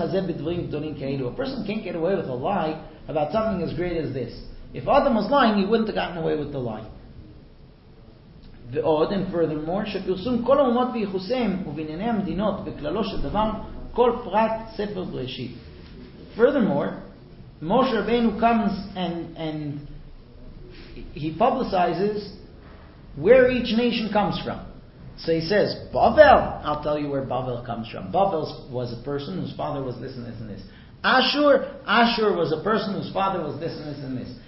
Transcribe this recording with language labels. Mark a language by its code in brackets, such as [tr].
[en] A person can't get away with a lie about something as great as this. If Adam was lying, he wouldn't have gotten away with the lie. The odd, and furthermore, [he] שפרסום כל האומות ויחוסיהם ובענייני המדינות בכללו של דבר כל פרט ספר בראשית. [en] Furthermore, Moshe Rabbeinu comes and he publicizes where each nation comes from. So he says, Bavel, I'll tell you where Bavel comes from. Bavel was a person whose father was this and this and this. Ashur was a person whose father was this and this and this.